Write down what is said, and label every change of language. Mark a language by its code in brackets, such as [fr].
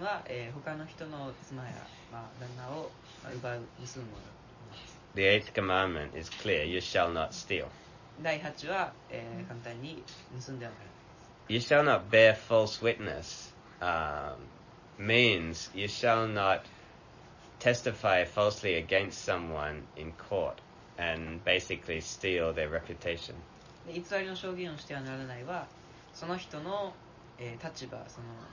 [ja] は、他の人の妻や、まあ、旦那を、まあ、奪う、盗むもの。 [en] The eighth commandment is clear, you shall not steal. [ja] 第八は、簡単に盗んではならない。 [en] You shall not bear false witness, means you shall not testify falsely against someone in court and basically steal their reputation. [ja] 偽りの証言をしてはならないは、その人の、立場、その